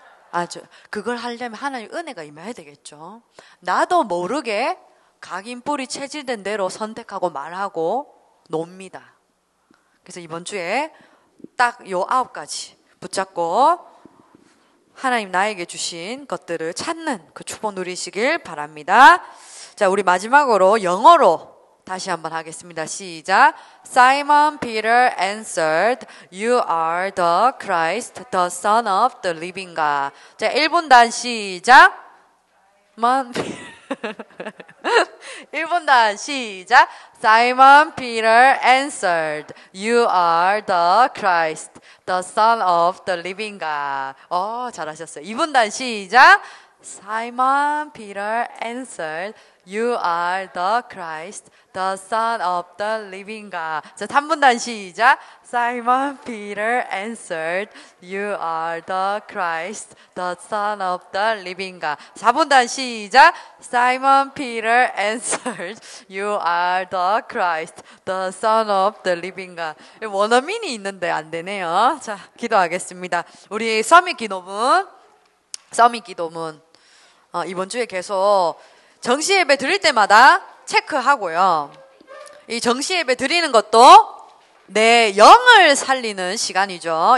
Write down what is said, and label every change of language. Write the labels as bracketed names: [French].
[Korean] 아주 그걸 하려면 하나님 은혜가 임해야 되겠죠. 나도 모르게 각인뿔이 체질된 대로 선택하고 말하고 놉니다. 그래서 이번 주에 딱 요 아홉 가지 붙잡고 하나님 나에게 주신 것들을 찾는 그 축복 누리시길 바랍니다. 자, 우리 마지막으로 영어로 다시 한번 하겠습니다. 시작. [English] Simon Peter answered, You are the Christ, the Son of the living God. [Korean] 자, 1분단 시작. [English] Simon Peter answered, You are the Christ, the Son of the living God. [Korean] 오, 잘하셨어요. 2분단 시작. [English] Simon Peter answered, You are the Christ, the Son of the living God. [Korean] 자, 3분단 시작. [English] Simon Peter answered, You are the Christ, the Son of the living God. [Korean] 4분단 시작. [English] Simon Peter answered, You are the Christ, the Son of the living God. [Korean] 원어민이 있는데 안 되네요. 자, 기도하겠습니다. 우리 서밋 기도문 싸움이 기도문 이번 주에 계속 정시예배 드릴 때마다 체크하고요. 이 정시예배 드리는 것도 내 영을 살리는 시간이죠.